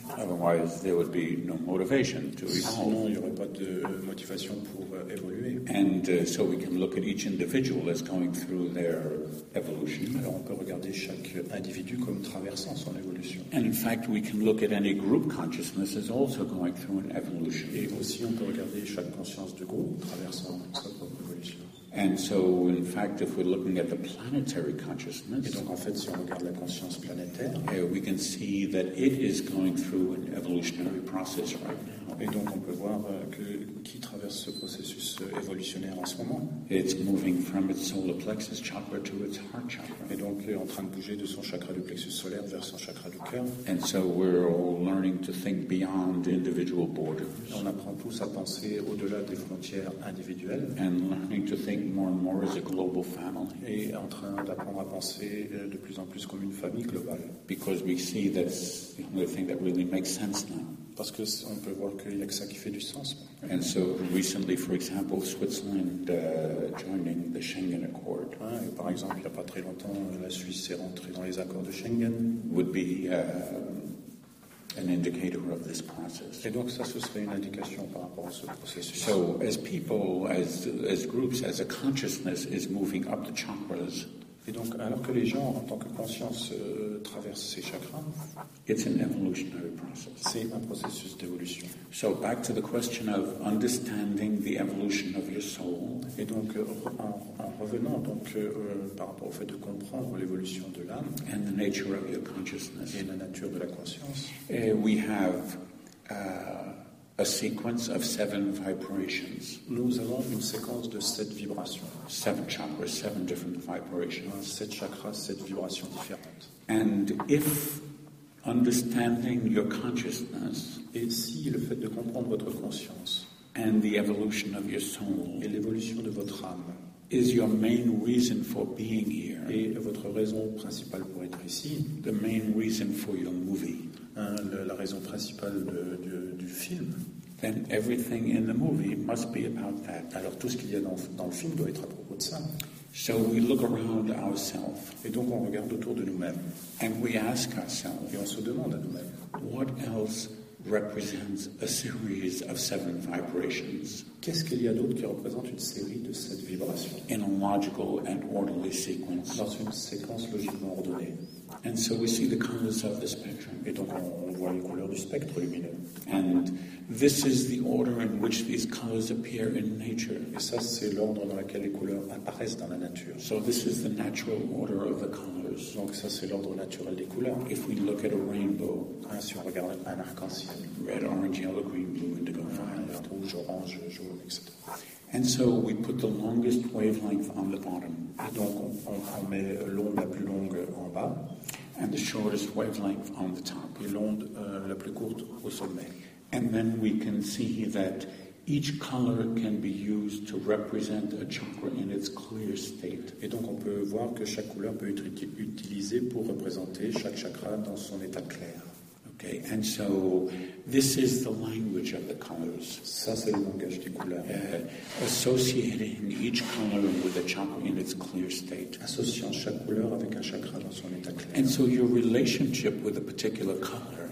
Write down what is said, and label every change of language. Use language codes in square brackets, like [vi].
[en] Otherwise, there would be no motivation to evolve. [fr] Sinon, il n'y aurait pas de motivation pour évoluer. [en] And so we can look at each individual as going through their evolution. [fr] Alors, on peut regarder chaque individu comme traversant son évolution. [en] And in fact, we can look at any group consciousness as also going through an evolution. [fr] Et aussi, on peut regarder chaque conscience de groupe traversant sa propre évolution. [en] And so, in fact, if we're looking at the planetary consciousness, [fr] et donc en fait, si on regarde la conscience planétaire, [en] we can see that it is going through an evolutionary process right now. [fr] Et donc on peut voir que qui traverse ce processus évolutionnaire en ce moment. [en] It's moving from its solar plexus chakra to its heart chakra. [fr] Et donc il est en train de bouger de son chakra du plexus solaire vers son chakra du cœur. [en] And so we're all learning to think beyond individual borders. [fr] Et on apprend tous à penser au-delà des frontières individuelles. [en] And learning to think more and more as a global family. [fr] Et en train d'apprendre à penser de plus en plus comme une famille globale. [en] Because we see that's the only thing that really makes sense now. [fr] Parce que on peut voir qu'il y a que ça qui fait du sens. [en] And so recently, for example, Switzerland joining the Schengen Accord. [fr] Ouais, par exemple, il n'y a pas très longtemps, la Suisse est rentrée dans les accords de Schengen. [en] Would be an indicator of this process. [fr] Et donc ça, ce serait une indication par rapport à ce processus. [en] So as people, as groups, as a consciousness is moving up the chakras. [fr] Et donc, alors que les gens, en tant que conscience, traversent ces chakras, [en] it's an evolutionary process. [fr] C'est un processus d'évolution. [en] So back to the question of understanding the evolution of your soul. [fr] Et donc, en revenant donc par rapport au fait de comprendre l'évolution de l'âme, [en] and the nature of your consciousness, [fr] et la nature de la conscience, [en] and we have a sequence of 7 vibrations. [fr] Nous avons une séquence de 7 vibrations. [en] 7 chakras, 7 different vibrations. [fr] 7 chakras, 7 vibrations différentes. [en] And if understanding your consciousness, [fr] et si le fait de comprendre votre conscience, [en] and the evolution of your soul, [fr] et l'évolution de votre âme, [en] is your main reason for being here, [fr] et votre raison principale pour être ici, [en] the main reason for your movie, [fr] la raison principale du film, [en] then everything in the movie must be about that. [fr] Alors tout ce qu'il y a dans le film doit être à propos de ça. [en] So we look around ourselves, [fr] et donc on regarde autour de nous-mêmes, [en] and we ask ourselves, [fr] et on se demande à nous-mêmes, [en] what else represents a series of 7 vibrations? [fr] Qu'est-ce qu'il y a d'autre qui représente une série de 7 vibrations? [en] In a logical and orderly sequence. [fr] Dans une séquence logiquement ordonnée. [en] And so we see the colors of the spectrum. [fr] Et donc on voit les couleurs du spectre lumineux. [en] And this is the order in which these colors appear in nature. [fr] Et ça, c'est l'ordre dans lequel les couleurs apparaissent dans la nature. [en] So this is the natural order of the colors. [fr] Donc ça, c'est l'ordre naturel des couleurs. [en] If we look at a rainbow, [fr] hein, si on regarde un arc-en-ciel, [en] red, orange, yellow, green, blue, indigo, violet, [fr] rouge, orange, jaune, etc. [en] And so we put the longest wavelength on the bottom. [fr] Et donc on met l'onde la plus longue en bas. [en] And the shortest wavelength on the top. [fr] Et l'onde la plus courte au sommet. [en] And then we can see that each color can be used to represent a chakra in its clear state. [fr] Et donc on peut voir que chaque couleur peut être utilisée pour représenter chaque chakra dans son état clair. [en] Okay, and so this is the language of the colors. [fr] Ça, c'est le langage des couleurs. [en] Associating each color with a chakra in its clear state. [fr] Associant chaque couleur avec un chakra dans son état clair. [en] And so your relationship with a particular color.